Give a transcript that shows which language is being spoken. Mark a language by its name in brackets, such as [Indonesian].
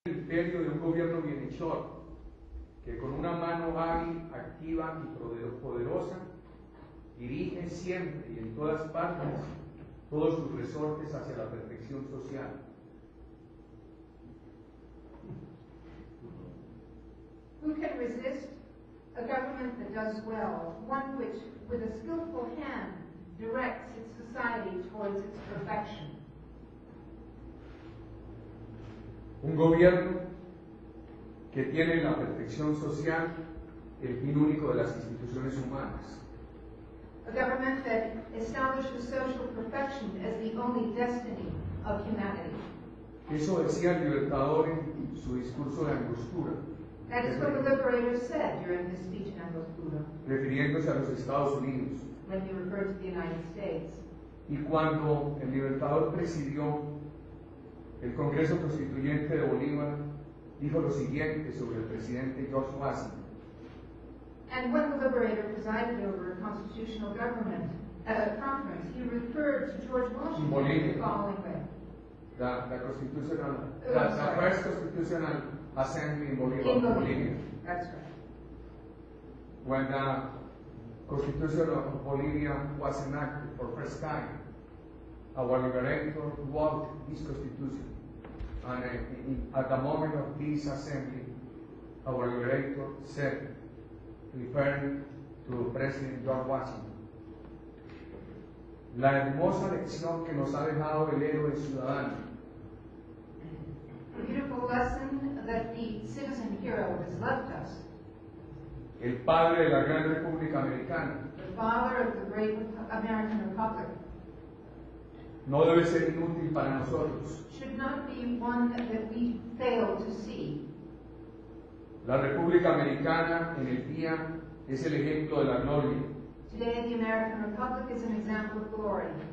[Spanish] Imperio de un gobierno bienhechor que con una mano hábil, activa y poderosa dirige siempre y en todas partes todos sus resortes hacia la perfección social. [English] Who can resist a government that does well, one which with a skillful hand directs its society towards its perfection? [Spanish] Un gobierno que tiene la perfección social el fin único de las instituciones humanas. [English] A government that establishes social perfection as the only destiny of humanity. [Spanish] Eso decía el Libertador en su discurso de Angostura. [English] That is what the Liberator said during his speech in Angostura. [Spanish] Refiriéndose a los Estados Unidos. [English] When he referred to the United States. [Spanish] Y cuando el Libertador presidió el Congreso Constituyente de Bolívar, dijo lo siguiente sobre el presidente George Washington. [English] And when the Liberator presided over a constitutional government conference, he referred to George Washington in the following way. The first constitutional assembly in Bolivia. In Bolivia. That's right. When the Constitution of Bolivia was enacted for the first time, our Liberator wrote this constitution. And at the moment of this assembly, our Liberator said, referring to President George Washington, [Spanish] la hermosa lección que nos ha dejado el héroe ciudadano. [English] The beautiful lesson that the citizen hero has left us. [Spanish] El padre de la gran República Americana. [English] The father of the great American Republic. [Spanish] No debe ser inútil para nosotros. [English] Should not be one that we fail to see. [Spanish] La República Americana en el día es el ejemplo de la gloria. [English] Today the American Republic is an example of glory.